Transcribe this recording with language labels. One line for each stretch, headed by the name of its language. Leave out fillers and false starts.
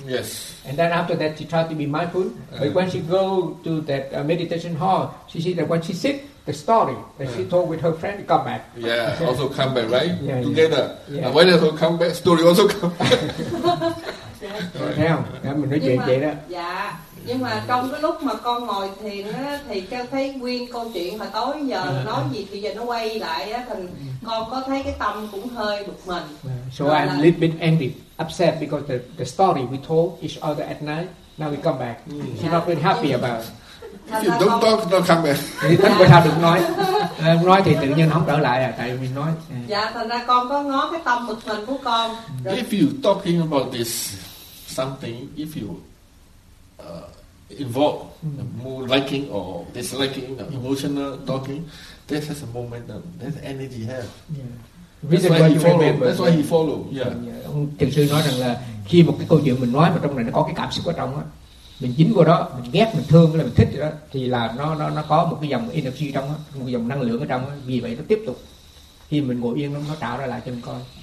English: Yes. And then after that, she tried to be mindful. But when she go to that meditation hall, she see that when she sit, the story that she told with her friend come back. Yeah, also come back, right? Yeah, together. Yeah. And when they also come back, story also come back.
Vietnamese: Thấy không? Nói chuyện vậy đó. Dạ. Nhưng mà trong cái lúc mà con ngồi thiền á, thì cho thấy nguyên câu chuyện mà tối giờ nói gì thì giờ nó quay lại á, thì con có thấy cái tâm cũng hơi bực mình.
English: So
Vietnamese: đó
English: I'm a little bit angry, upset because the story we told each other at night, now we come back. She's not really happy about it. If you don't talk, don't come back.
Vietnamese: Thì không có sao được nói. Nói thì tự nhiên không trở lại à, tại mình nói. Dạ, thành ra con có ngó cái tâm bực mình của con.
English: If you talking about this something, if you involve more liking or disliking, emotional talking, this has a momentum, this energy has. That's why he follow. Yeah.
Vietnamese: Ông thiền sư nói rằng là khi một cái câu chuyện mình nói mà trong này nó có cái cảm xúc ở trong á, mình dính vô đó, mình ghét, mình thương, là mình thích đó, thì là nó có một cái dòng energy trong đó, một dòng năng lượng ở trong đó, vì vậy nó tiếp tục khi mình ngồi yên nó tạo ra lại cho mình coi.